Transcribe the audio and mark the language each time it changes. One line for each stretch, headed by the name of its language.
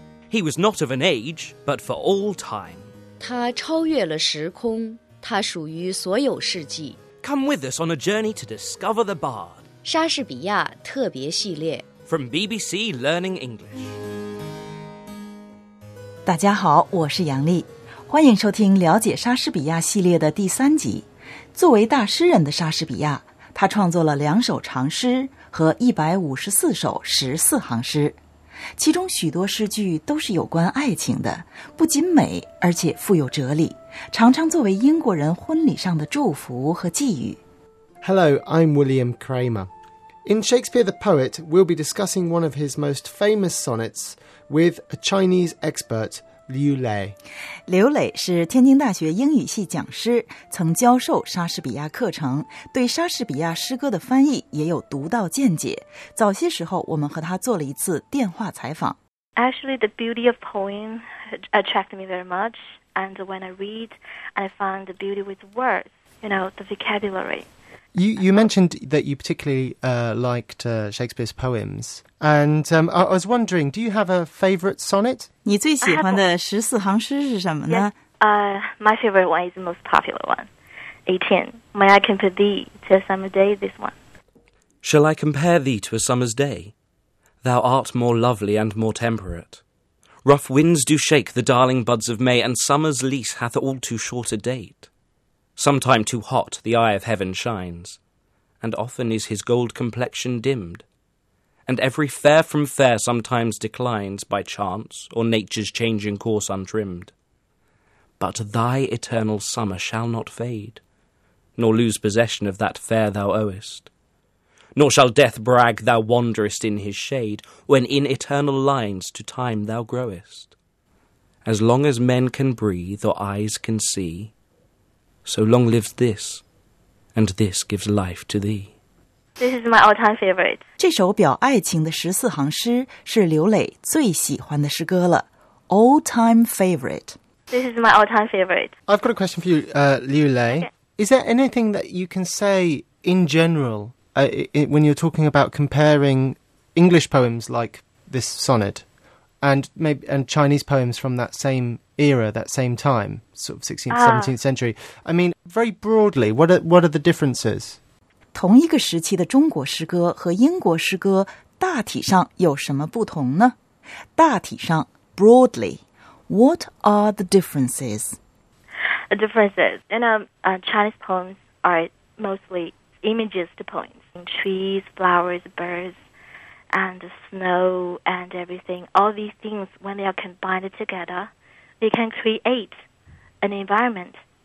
English: He was not of an age, but for all time.
Chinese: 他超越了时空，他属于所有世纪。
English: Come with us on a journey to discover the Bard.
Chinese: 莎士比亚特别系列。
English: From BBC Learning English.
Chinese: 大家好，我是杨丽，欢迎收听了解莎士比亚系列的第三集。作为大诗人的莎士比亚，他创作了两首长诗和154首14行诗，其中许多诗句都是有关爱情的，不仅美，而且富有哲理，常常作为英国人婚礼上的祝福和寄语。
English: Hello, I'm William Cramer. In Shakespeare the Poet, we'll be discussing one of his most famous sonnets with a Chinese expert, Liu Lei.
Chinese: 刘磊是天津大学英语系讲师，曾教授莎士比亚课程，对莎士比亚诗歌的翻译也有独到见解。早些时候我们和他做了一次电话采访。
English: Actually, the beauty of poem attracted me very much, and when I read, I found the beauty with words, you know, the vocabulary. You mentioned that you particularly liked Shakespeare's poems. And I was wondering, do you have a favorite sonnet?
Chinese: 你最喜欢的十四行诗是什么呢？
English: My favorite one is the most popular one. 18. May I compare thee to a summer day, this one. Shall I compare thee to a summer's day? Thou art more lovely and more temperate. Rough winds do shake the darling buds of May, and summer's lease hath all too short a date. Sometime too hot the eye of heaven shines, and often is his gold complexion dimmed. And every fair from fair sometimes declines by chance or nature's changing course untrimmed. But thy eternal summer shall not fade, nor lose possession of that fair thou owest. Nor shall death brag thou wanderest in his shade, when in eternal lines to time thou growest. As long as men can breathe or eyes can see, so long lives this, and this gives life to thee. This is my all-time favorite.
Chinese: 这首表爱情的十四行诗是刘磊最喜欢的诗歌了。
English: All-time favorite. This is my all-time favorite. I've got a question for you, Liu Lei. Is there anything that you can say in general when you're talking about comparing English poems like this sonnet and Chinese poems from that same era, that same time, sort of 16th, 17th century? I mean, very broadly, what are the differences?
Chinese: 同一个时期的中国诗歌和英国诗歌大体上有什么不同呢？大体上
English: ,broadly, what are the differences? The differences, you know, Chinese poems are mostly imagist poems. Trees, flowers, birds, and snow and everything, all these things, when they are combined together, they can create an environment.